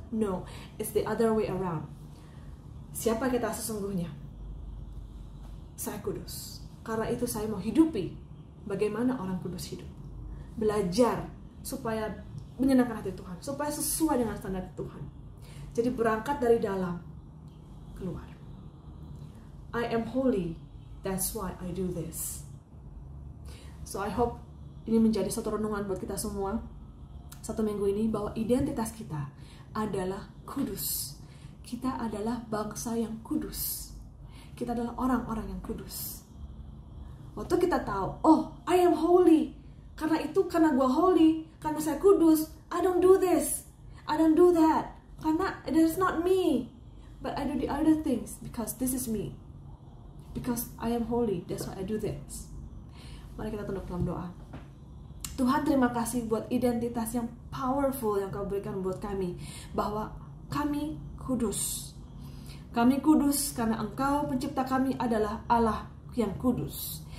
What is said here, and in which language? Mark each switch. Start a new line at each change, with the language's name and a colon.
English: No, it's the other way around.
Indonesian: Siapa kita sesungguhnya? Saya kudus. Karena itu saya mau hidupi bagaimana orang kudus hidup. Belajar supaya menyenangkan hati Tuhan, supaya sesuai dengan standar Tuhan. Jadi berangkat dari dalam, keluar.
English: I am holy, that's why I do this. So I hope
Indonesian: ini menjadi satu renungan buat kita semua satu minggu ini, bahwa identitas kita adalah kudus. Kita adalah bangsa yang kudus. Kita adalah orang-orang yang kudus. Waktu kita tahu, oh,
English: I am holy.
Indonesian: Karena itu, karena gue holy, karena saya kudus,
English: I don't do this, I don't do that. Karena it's not me, but I do the other things because this is me. Because I am holy, that's why I do this.
Indonesian: Mari kita tunduk dalam doa. Tuhan, terima kasih buat identitas yang powerful yang kau berikan buat kami, bahwa kami kudus. Kami kudus karena engkau pencipta kami adalah Allah yang kudus.